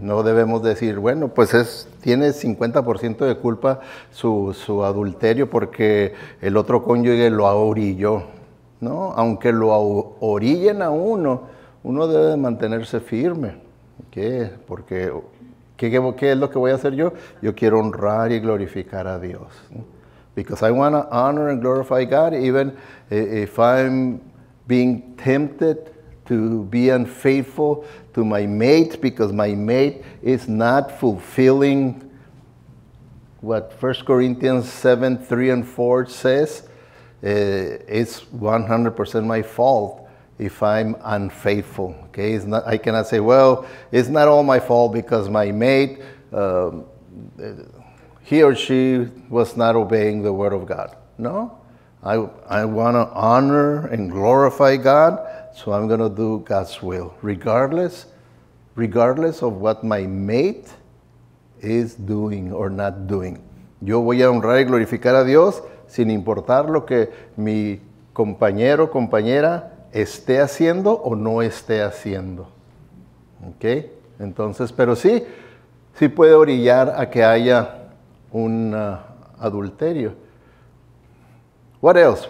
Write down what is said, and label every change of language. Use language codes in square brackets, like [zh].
[es] No debemos decir, bueno, pues tiene 50% de culpa su adulterio porque el otro cónyuge lo orilló. No, aunque lo orillen a uno, uno debe mantenerse firme. ¿Okay? Porque, ¿qué es lo que voy a hacer yo? Yo quiero honrar y glorificar a Dios. [en] Because I want to honor and glorify God, even if I'm being tempted to be unfaithful to my mate because my mate is not fulfilling what 1 Corinthians 7:3-4 says. It's 100% my fault if I'm unfaithful. Okay, I cannot say, well, it's not all my fault because my mate, he or she was not obeying the word of God. No. I want to honor and glorify God, so I'm going to do God's will, regardless of what my mate is doing or not doing. [es] Yo voy a honrar y glorificar a Dios sin importar lo que mi compañero o compañera esté haciendo o no esté haciendo. Okay? Entonces, pero sí puede orillar a que haya un adulterio. [en] What else?